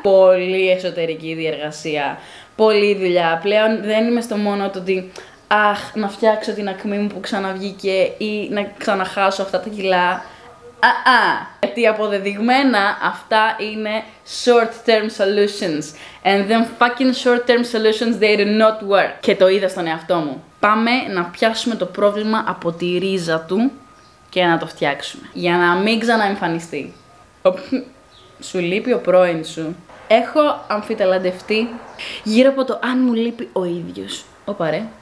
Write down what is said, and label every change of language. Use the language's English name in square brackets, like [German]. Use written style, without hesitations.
[Greek] Πολύ εσωτερική διεργασία, πολύ δουλειά. Πλέον δεν είμαι στο μόνο το ότι αχ, να φτιάξω την ακμή μου που ξαναβγήκε ή να ξαναχάσω αυτά τα κιλά. Γιατί αποδεδειγμένα αυτά είναι [English] short term solutions. And then fucking short term solutions, they do not work. [Greek] Και το είδα στον εαυτό μου. Πάμε να πιάσουμε το πρόβλημα από τη ρίζα του και να το φτιάξουμε. Για να μην ξαναεμφανιστεί. Σου λείπει ο πρώην σου? Έχω αμφιταλαντευτεί γύρω από το αν μου λείπει ο ίδιος. Ωπα ρε.